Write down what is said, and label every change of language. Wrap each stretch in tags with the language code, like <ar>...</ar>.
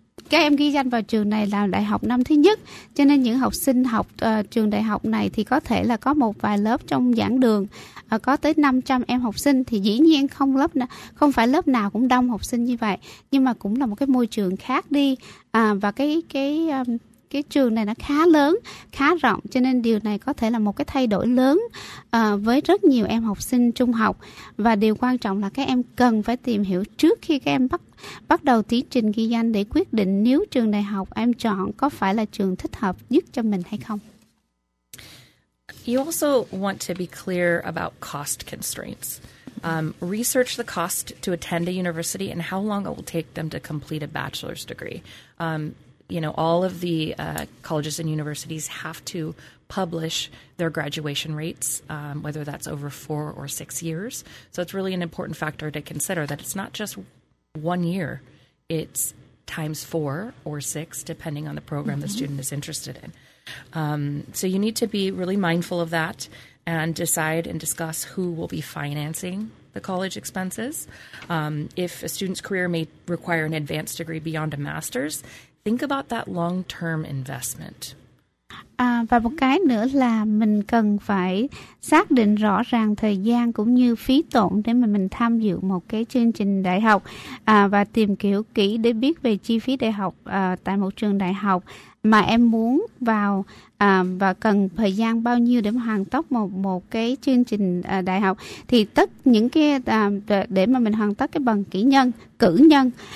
<vi>các em ghi danh vào trường này là đại học năm thứ nhất, cho nên những học sinh học trường đại học này thì có thể là có một vài lớp trong giảng đường có tới 500 em học sinh, thì dĩ nhiên không phải lớp nào cũng đông học sinh như vậy, nhưng mà cũng là một cái môi trường khác đi, và cái trường này nó khá lớn, khá rộng, cho nên điều này có thể là một cái thay đổi lớn với rất nhiều em học sinh trung học. Và điều quan trọng là các em cần phải tìm hiểu trước khi các em bắt đầu tiến trình ghi danh để quyết định nếu trường đại học em chọn có phải là trường thích hợp nhất cho mình hay không.</vi> <en>You also want to be clear about cost constraints. Research the cost to attend a university and how long it will take them to complete a bachelor's degree. You know, all of the colleges and universities have to publish their graduation rates, whether that's over 4 or 6 years. So it's really an important factor to consider that it's not just 1 year, it's times 4 or 6, depending on the program mm-hmm. the student is interested in. So you need to be really mindful of that and decide and discuss who will be financing the college expenses. If a student's career may require an advanced degree beyond a master's, think about that long-term investment.</en> <vi>Và một cái nữa là mình cần phải xác định rõ ràng thời gian cũng như phí tổn để mà mình tham dự một cái chương trình đại học, và tìm hiểu kỹ để biết về chi phí đại học tại một trường đại học mà em muốn vào, và cần thời gian bao nhiêu để mà hoàn tất một cái chương trình đại học, thì tất những cái để mà mình hoàn tất cái bằng kỹ nhân cử nhân,</vi>